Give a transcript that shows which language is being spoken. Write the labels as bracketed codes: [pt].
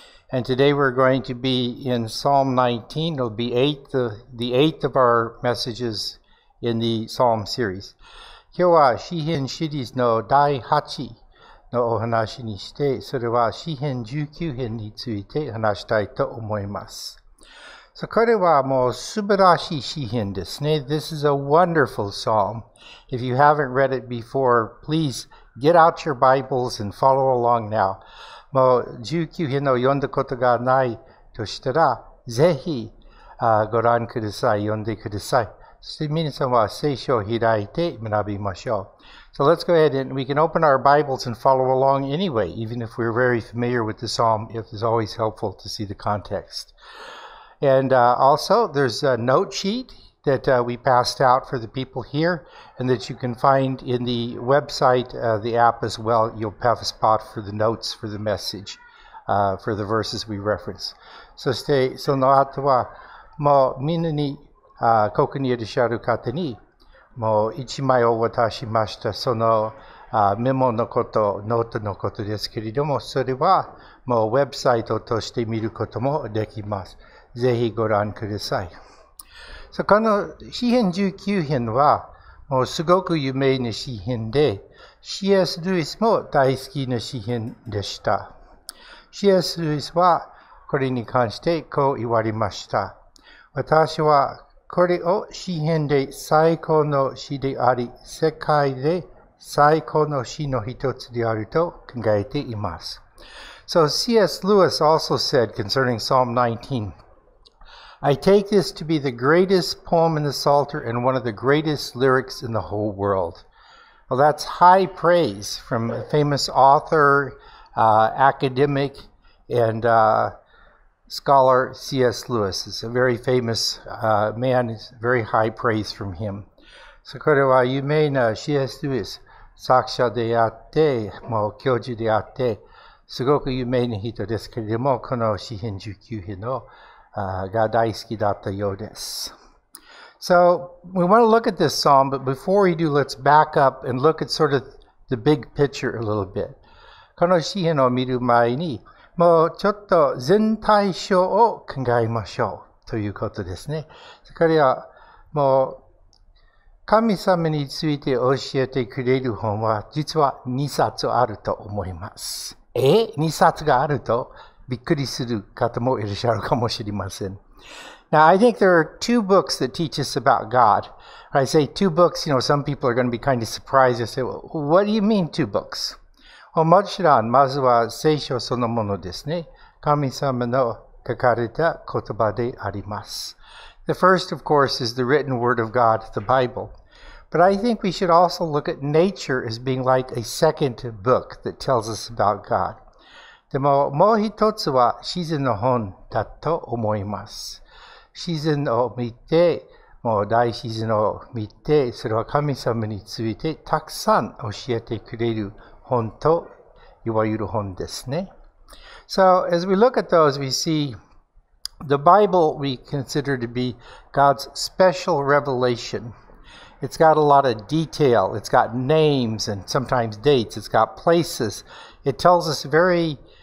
[en] And today we're going to be in Psalm 19. It'll be the eighth of our messages in the Psalm series. [ja] 今日は詩篇シリーズの第8のお話にして、それは詩篇19編について話したいと思います。 So, これはもう素晴らしい詩篇ですね。 [en] This is a wonderful psalm. If you haven't read it before, please get out your Bibles and follow along now. [ja] もう19編を読んだことがないとしたら、ぜひご覧ください、読んでください。そして皆さんは聖書を開いて学びましょう。 [en] So let's go ahead and we can open our Bibles and follow along anyway, even if we're very familiar with the psalm, it is always helpful to see the context. And also, there's a note sheet that we passed out for the people here and that you can find in the website, the app as well. You'll have a spot for the notes for the message, for the verses we reference. [ja] そしてその後はもうみんなにここにいらっしゃる方にもう一枚を渡しました。そのメモのこと、ノートのことですけれども、それはもうウェブサイトとして見ることもできます。ぜひご覧ください。So, この詩篇19編はもうすごく有名な詩篇で、 C.S. ルイスも大好きな詩篇でした。 C.S. ルイスはこれに関してこう言われました。私はこれを詩篇で最高の詩であり、世界で最高の詩の一つであると考えています。 [en] So C.S. Lewis also said concerning Psalm 19, I take this to be the greatest poem in the Psalter and one of the greatest lyrics in the whole world. Well, that's high praise from a famous author, academic, andscholar C.S. Lewis. It's a very famous man. It's very high praise from him. [ja] So, これは有名な C.S. Lewis, 作者であって、もう教授であって、すごく有名な人ですけれども、この詩篇19編のが大好きだったようです。 [en] So, we want to look at this psalm, but before we do, let's back up and look at sort of the big picture a little bit. [ja] この詩篇を見る前に、もうちょっと全体像を考えましょうということですね。これは、もう神様について教えてくれる本は実は2冊あると思います。 2冊があると？びっくりする方もいらっしゃるかもしれません。 [en] Now, I think there are two books that teach us about God. When I say two books, you know, some people are going to be kind of surprised. I say, well, what do you mean, two books? [ja] Well, もちろん、まずは聖書そのものですね。神様の書かれた言葉であります。 [en] The first, of course, is the written word of God, the Bible. But I think we should also look at nature as being like a second book that tells us about God. [ja] でも、もう一つは自然の本だと思います。自然を見て、もう大自然を見て、それは神様についてたくさん教えてくれる本と、いわゆる本ですね。 [en] So, as we look at those, we see the Bible we consider to be God's special revelation. It's got a lot of detail. It's got names and sometimes dates. It's got places. It tells us very...